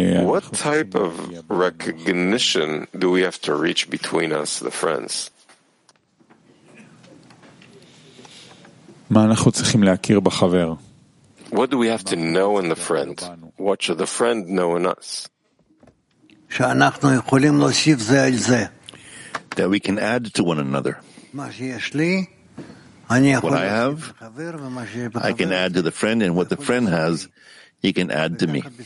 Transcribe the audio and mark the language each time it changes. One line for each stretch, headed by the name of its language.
English: What type of recognition do we have to reach between us, the friends?
Hebrew: אנחנו צריכים להכיר בחבר?
English: What do we have to know in the friend? What should the friend know in us?
Hebrew: שאנחנו יכולים להוסיף זה על זה.
English: That we can add to one another. What I have, I can add to the friend, and what the friend has, he can add to me.